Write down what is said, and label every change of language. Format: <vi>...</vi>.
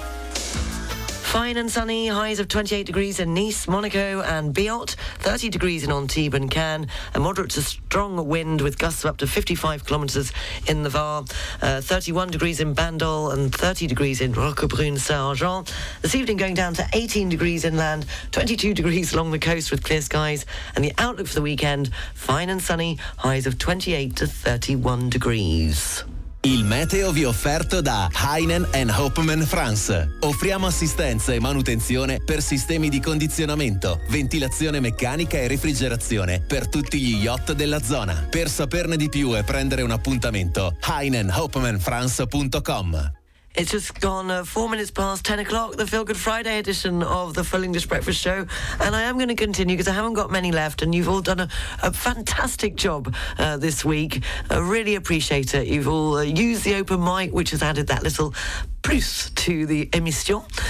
<en>Fine and sunny, highs of 28 degrees in Nice, Monaco and Biot, 30 degrees in Antibes and Cannes, a moderate to strong wind with gusts of up to 55 kilometres in the Var, 31 degrees in Bandol and 30 degrees in Roquebrune-Saint-Argent. This evening going down to 18 degrees inland, 22 degrees along the coast with clear skies, and the outlook for the weekend, fine and sunny, highs of 28 to 31 degrees.</en> <it>Il meteo vi è offerto da Heinen and Hopman France. Offriamo assistenza e manutenzione per sistemi di condizionamento, ventilazione meccanica e refrigerazione per tutti gli yacht della zona. Per saperne di più e prendere un appuntamento, heinenhopmanfrance.com.</it> <en>It's just gone 4 minutes past 10 o'clock, the Feel Good Friday edition of the Full English Breakfast Show. And I am going to continue because I haven't got many left and you've all done a fantastic job this week. I really appreciate it. You've all used the open mic, which has added that little plus to the émission.</en>